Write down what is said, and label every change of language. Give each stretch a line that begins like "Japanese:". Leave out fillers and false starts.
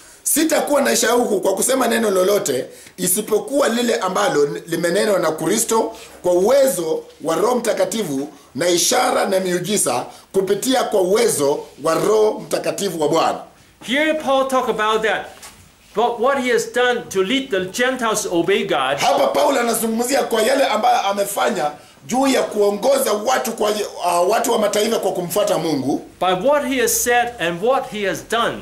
Swahili: Sitakuwa na shauku kwa kusema neno lolote isipokuwa lile ambalo limenenwa na Kristo kwa uwezo wa Roho Mtakatifu na ishara na miujiza kupitia kwa uwezo wa Roho Mtakatifu wa Bwana.
English: Here Paul talk about that. But what he has done to lead the Gentiles to obey God.
Swahili: Hapa Paul anazungumzia kwa yale ambayo amefanya juu ya kuongoza watu kwa watu wa mataifa kwa kumfuata Mungu.
English: By what he has said and what he has done.